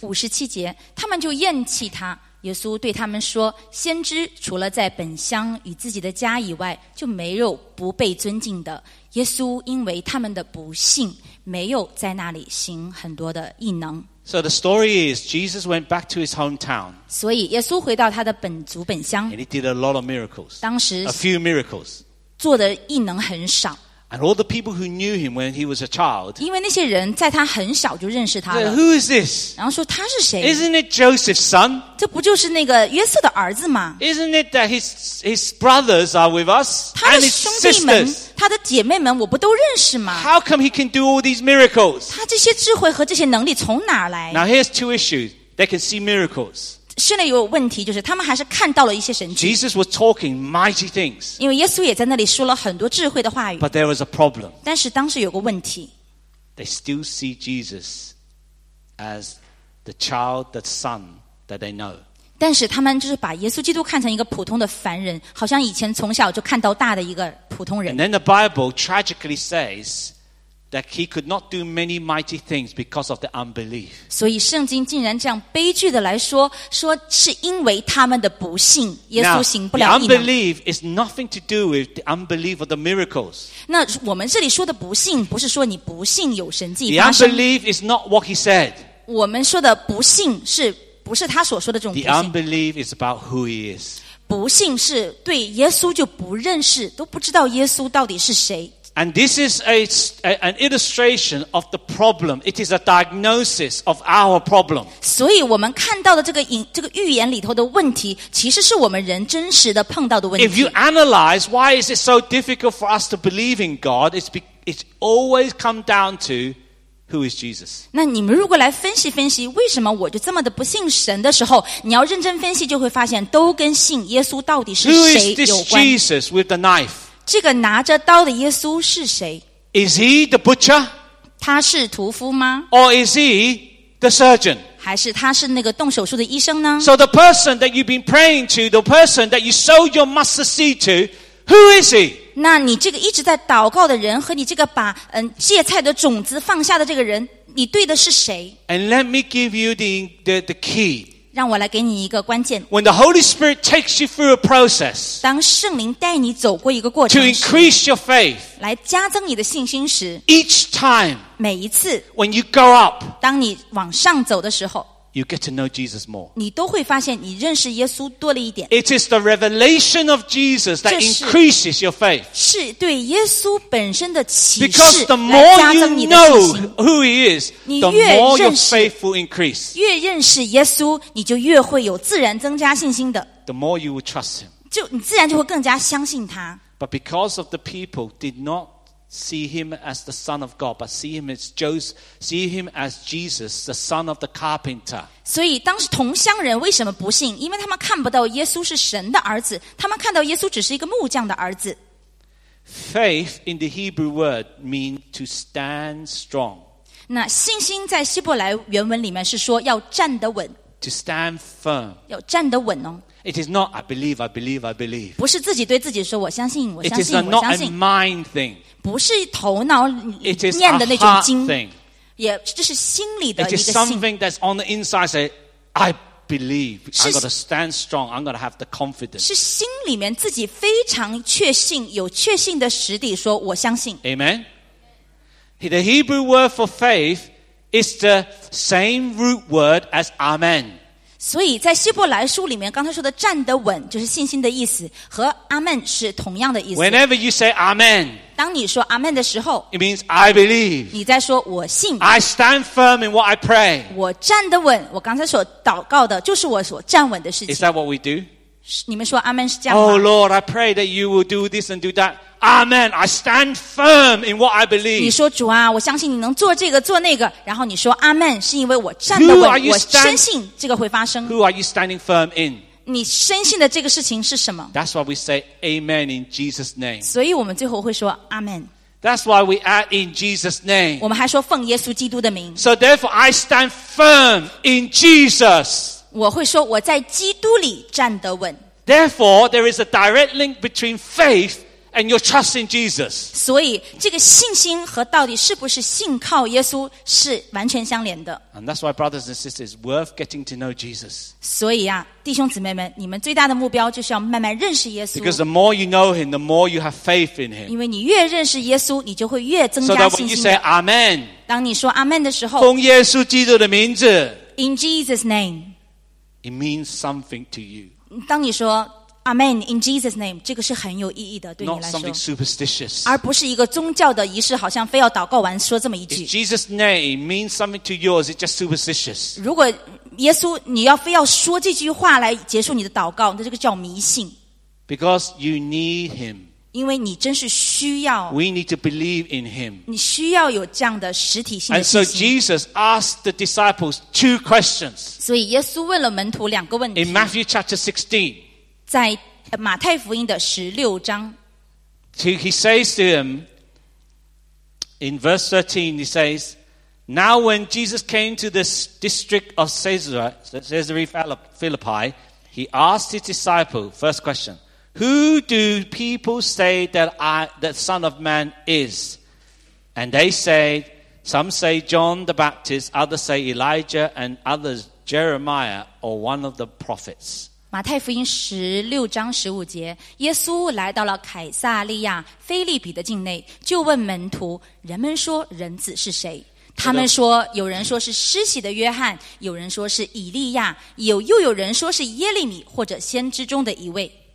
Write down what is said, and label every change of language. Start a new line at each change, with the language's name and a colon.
Chinese: 57节，他们就厌弃他，耶稣对他们说，先知除了在本乡与自己的家以外，就没有不被尊敬的。耶稣因为他们的不信，没有在那里行很多的异能。
English: So the story is, Jesus went back to his hometown.
Chinese: 所以耶稣回到他的本族本乡。
English: And he did a lot of miracles.
Chinese: 当时
English: a few miracles.
Chinese: 做的异能很少。
English: And all the people who knew him when he was a child.
Chinese: 因为那些人在他很小就认识他了。
English: Who is this?
Chinese: 然后说他是谁？
English: Isn't it Joseph's son?
Chinese: 这不就是那个约瑟的儿子吗？
English: Isn't it that his brothers are with us?
Chinese: 他的兄弟们，他的姐妹们，我不都认识吗？
English: How come he can do all these miracles?
Chinese: 他这些智慧和这些能力从哪来？
English: Now here's two issues. They can see miracles.
Chinese: 现在有问题，就是他们还是看到了一些神迹。
English: Jesus was talking mighty things.
Chinese: 因为耶稣也在那里说了很多智慧的话语。
English: But there was a problem.
Chinese: 但是当时有个问题。
English: They still see Jesus as the child, the son that they know.
Chinese: 但是他们就是把耶稣基督看成一个普通的凡人，好像以前从小就看到大的一个普通人。
English: And then the Bible tragically says. That he could not do many mighty things because of the unbelief.
Chinese: 所以圣经竟然这样悲剧的来说，说是因为他们的不信，耶稣行不了异能。
English: Now, the unbelief is nothing to do with the unbelief of the miracles.
Chinese: 那我们这里说的不信，不是说你不信有神迹发生。
English: The unbelief is not what he said.
Chinese: 我们说的不信是不是他所说的这种不信。
English: The unbelief is about who he is.
Chinese: 不信是对耶稣就不认识，都不知道耶稣到底是谁。
English: And this is an illustration of the problem. It is a diagnosis of our problem.
Chinese: 所以我们看到的这个预言里头的问题，其实是我们人真实的碰到的问题。
English: If you analyze why is it so difficult for us to believe in God, it's always come down to who is Jesus.
Chinese: 那你们如果来分析分析，为什么我就这么的不信神的时候，你要认真分析，就会发现都跟信耶稣到底是谁有关。
English: Who is this Jesus with the knife?
Chinese: 这个拿着刀的耶稣是谁？
English: Is he the butcher?
Chinese: 他是屠夫吗？
English: Or is he the surgeon?
Chinese: 还是他是那个动手术的医生呢？
English: So the person that you've been praying to, the person that you sowed your mustard seed to, who is he?
Chinese: 那你这个一直在祷告的人和你这个把芥菜的种子放下的这个人，你对的是谁？
English: And let me give you the key.
Chinese: 让我来给你一个关键。
English: When the Holy Spirit takes you through a process,
Chinese: 当圣灵带你走过一个过程
English: ，to increase your faith,
Chinese: 来加增你的信心时
English: ，each time,
Chinese: 每一次
English: ，when you go up,
Chinese: 当你往上走的时候
English: ，you get to know Jesus more,
Chinese: 你都会发现你认识耶稣多了一点。
English: It is the revelation of Jesus that increases your faith,
Chinese: 是对耶稣本身的启示
English: ，because the more you know who he is. The more your faith will increase.
Chinese: 越认识耶稣，你就越会有自然增加信心的。
English: The more you will trust him.
Chinese: 就你自然就会更加相信他。
English: But because of the people did not see him as the son of God, but see him as Jesus, the son of the carpenter.
Chinese: 所以当时同乡人为什么不信？因为他们看不到耶稣是神的儿子，他们看到耶稣只是一个木匠的儿子。
English: Faith in the Hebrew word means to stand strong.
Chinese: 那信心在希伯来原文里面是说要站得稳
English: To stand firm
Chinese: 要站得稳哦
English: It is not I believe, I believe, I believe
Chinese: 不是自己对自己说我相信我相信
English: It is not a mind thing
Chinese: 不是头脑念的那种经
English: It is a heart thing
Chinese: 这是心里的一个信
English: It is something that's on the inside say I believe I'm going to stand strong I'm going to have the confidence
Chinese: 是心里面自己非常确信有确信的实底说我相信
English: AmenThe Hebrew word for faith is the same root word as Amen.
Chinese: 所以在希伯来书里面刚才说的站得稳就是信心的意思和 Amen 是同样的意思。
English: Whenever you say Amen,
Chinese: 当你说 Amen 的时候
English: it means I believe.
Chinese: 你在说我信。
English: I stand firm in what I pray.
Chinese: 我站得稳我刚才所祷告的就是我所站稳的事情。
English: Is that what we do?
Chinese: 你们说 Amen 是这样吗?
English: Oh Lord, I pray that you will do this and do that. Amen. I stand firm in what I believe.
Chinese: 你说主啊，我相信你能做这个做那个。然后你说 Amen， 是因为我站得稳，
English: Who are you
Chinese: 我深信这个会发生。
English: Who are you standing firm in？
Chinese: 你深信的这个事情是什么
English: ？That's why we say Amen in Jesus' name.
Chinese: 所以我们最后会说 Amen。
English: That's why we add in Jesus' name.
Chinese: 我们还说奉耶稣基督的名。
English: So therefore, I stand firm in Jesus.
Chinese: 我会说我在基督里站得稳。
English: Therefore, there is a direct link between faith. and you're trusting Jesus.
Chinese: 所以这个信心和到底是不是信靠耶稣是完全相连的。
English: And that's why, brothers and sisters, it's worth getting to know Jesus.
Chinese: 所以啊，弟兄姊妹们，你们最大的目标就是要慢慢认识耶稣。
English: Because the more you know Him, the more you have faith in Him.
Chinese: 因为你越认识耶稣，你就会越增加信心。
English: So that when you say Amen,
Chinese: 当你说 Amen 的时候，奉耶稣基督的名字
English: ，In Jesus' name, it means something to you.
Chinese: 当你说
English: Amen, in Jesus' name,
Chinese: 这个是很有意义的，对你来说。
English: Not something superstitious.
Chinese: 而不是一个宗教的仪式，好像非要祷告完说这么一句。
English: If Jesus' name means something to you, is it just superstitious?
Chinese: 如果耶稣，你要非要说这句话来结束你的祷告，那这个叫迷信。
English: Because you need Him.
Chinese: 因为你真是需要。
English: We need to believe in Him.
Chinese: 你需要有这样的实体性的信心。
English: And so Jesus asked the disciples two questions.
Chinese: 所以耶稣问了门徒两个问题。
English: In Matthew chapter 16.
Chinese: 在马太福音的十六章
English: He says to him in verse 13, he says, Now when Jesus came to the district of Caesarea Philippi, he asked his disciple, first question, Who do people say that the Son of Man is? And they say, Some say John the Baptist, others say Elijah, and others Jeremiah, or one of the prophets.
Chinese: 马太福音十六章十五节，耶稣来到了凯撒利亚菲利比的境内，就问门徒：“人们说人子是谁？” 他们说：“有人说是施洗的约翰，有人说是以利亚，又有人说是耶利米或者先知中的一位。”